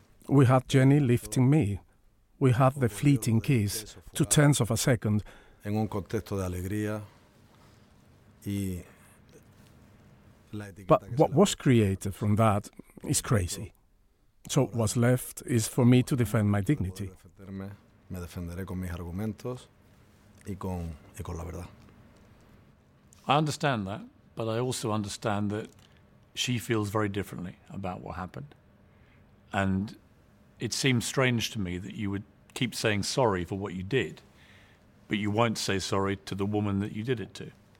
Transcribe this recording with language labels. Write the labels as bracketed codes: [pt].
[en] We had Jenny lifting me. We had the fleeting kiss, 2/10 of a second. [es] En un contexto de alegría. [en] But what was created from that is crazy. So what's left is for me to defend my dignity. [es] Me defenderé con mis argumentos y con la verdad. [en] I understand that, but I also understand that she feels very differently about what happened. And it seems strange to me that you would keep saying sorry for what you did, but you won't say sorry to the woman that you did it to.